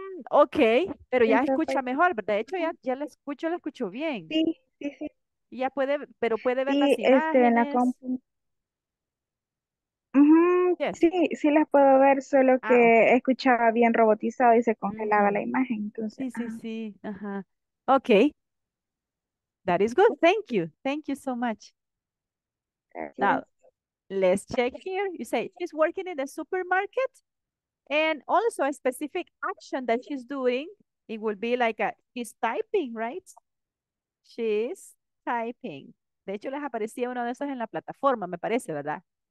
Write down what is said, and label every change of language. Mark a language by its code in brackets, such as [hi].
[es] Okay, pero ya escucha mejor, ¿verdad? De hecho, ya la escucho bien. Sí, sí, sí. Ya puede, pero puede ver sí, las imágenes. Sí, en la compu. Yes. Sí, sí las puedo ver, solo que escuchaba bien robotizado y se congelaba la imagen. Entonces, Sí. Ajá. Okay. [en] That is good. Thank you. Thank you so much. [es] Gracias. [en] Now, Let's check here. You say she's working in a supermarket, and also a specific action that she's doing, it will be like a she's typing, right? She's typing. [es] De hecho, les aparecía uno de esos en la plataforma, me parece, ¿verdad?